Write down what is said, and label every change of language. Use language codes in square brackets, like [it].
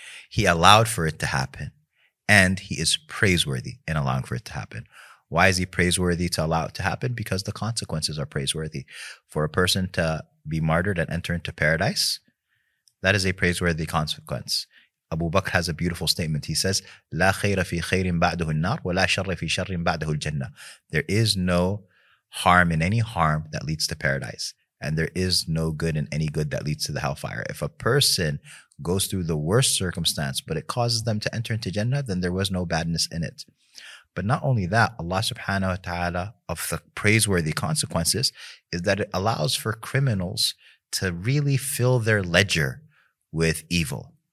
[en] He allowed for it to happen, and he is praiseworthy in allowing for it to happen. Why is he praiseworthy to allow it to happen? Because the consequences are praiseworthy. For a person to be martyred and enter into paradise, that is a praiseworthy consequence. Abu Bakr has a beautiful statement. [ar] He says, لا خير في خير بعده النار ولا شر في شر بعده الجنة. [en] There is no harm in any harm that leads to paradise. And there is no good in any good that leads to the hellfire. If a person goes through the worst circumstance, but it causes them to enter into Jannah, then there was no badness in it. But not only that, Allah subhanahu wa ta'ala, of the praiseworthy consequences, is that it allows for criminals to really fill their ledger with evil.